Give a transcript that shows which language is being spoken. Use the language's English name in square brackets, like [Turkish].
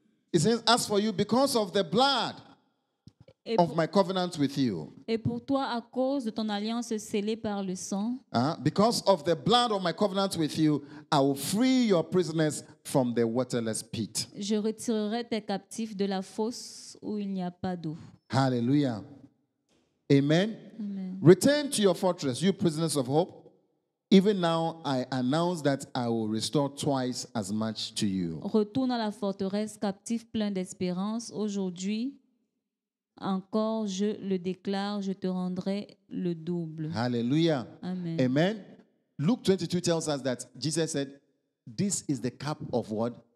[English] It says, as for you, because of the blood of my covenant with you. [French] Et pour toi, à cause de ton alliance scellée par le sang. [English] Because of the blood of my covenant with you, I will free your prisoners from the waterless pit. [French] Je retirerai tes captifs de la fosse où il n'y a pas d'eau. [English] Hallelujah. Amen. Amen. Return to your fortress, you prisoners of hope. Even now, I announce that I will restore twice as much to you. [French] Retourne à la forteresse, captif plein d'espérance. Aujourd'hui, encore, je le déclare, je te rendrai le double. [English] Hallelujah. Amen. Amen. Luke 22 tells us that Jesus said, this is the cup of what?